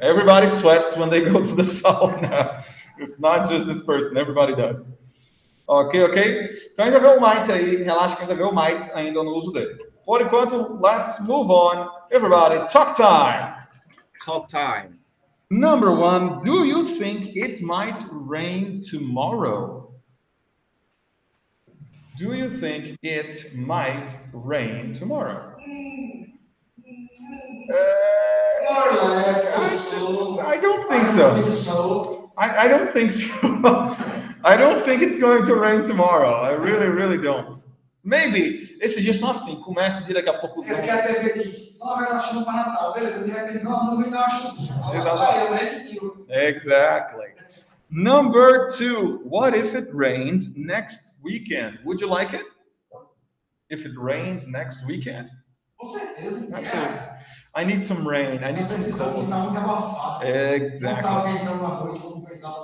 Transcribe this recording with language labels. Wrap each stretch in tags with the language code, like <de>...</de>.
<en>Everybody sweats when they go to the sauna. It's not just this person, everybody does. Ok.</en> <pt>Então ainda vê o might aí, relaxa que ainda vê o might ainda no uso dele.</pt> <en>Por enquanto, let's move on. Everybody, talk time. Talk time. Number one, do you think it might rain tomorrow? Do you think it might rain tomorrow? More or less, I don't think so. I don't think so. I don't think it's going to rain tomorrow. I really, really don't. Maybe.</en> <pt>Esse dia só assim, começa e daqui a pouco... É que a TV diz, não vai dar chuva para Natal, beleza? De repente, não, não vai dar chuva.</pt> <en>Exactly. Number two, what if it rained next weekend? Would you like it? If it rained next weekend?</en> <pt>Com certeza, yes.</pt> <en>I need some rain, I need some cold.</en> <pt>Está muito abafado.</pt> <en>Exactly.</en> <pt>Não está ventando uma noite, como ventava</pt>